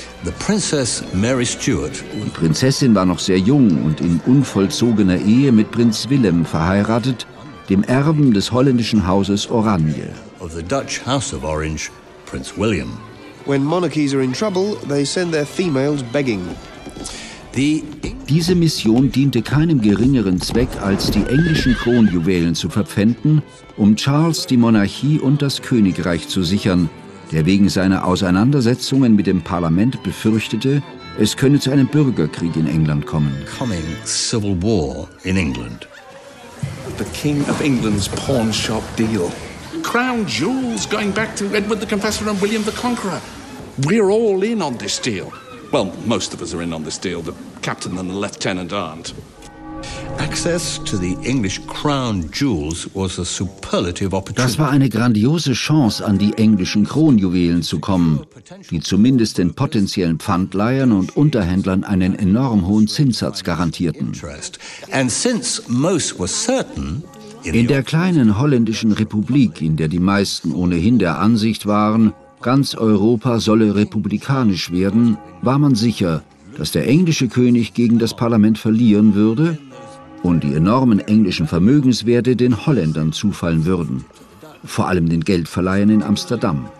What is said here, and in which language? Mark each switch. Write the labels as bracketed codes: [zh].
[de] Die Prinzessin war noch sehr jung und in unvollzogener Ehe mit Prinz Willem verheiratet, dem Erben des holländischen Hauses Oranje. [en] Of the Dutch House of Orange, Prince William. When monarchies are in trouble, they send their females begging. [de] Diese Mission diente keinem geringeren Zweck, als die englischen Kronjuwelen zu verpfänden, um Charles die Monarchie und das Königreich zu sichern, der wegen seiner Auseinandersetzungen mit dem Parlament befürchtete, es könne zu einem Bürgerkrieg in England kommen. [en] Coming civil war in England. The King of England's pawn shop deal. Crown jewels going back to Edward the Confessor and William the Conqueror. We're all in on this deal. Well, most of us are in on this deal. The captain and the lieutenant aren't. Access to the English crown jewels was a superlative opportunity. [de] Das war eine grandiose Chance, an die englischen Kronjuwelen zu kommen, die zumindest den potenziellen Pfandleihern und Unterhändlern einen enorm hohen Zinssatz garantierten. [en] And since most were certain. [de] In der kleinen holländischen Republik, in der die meisten ohnehin der Ansicht waren, ganz Europa solle republikanisch werden, war man sicher, dass der englische König gegen das Parlament verlieren würde und die enormen englischen Vermögenswerte den Holländern zufallen würden, vor allem den Geldverleihern in Amsterdam.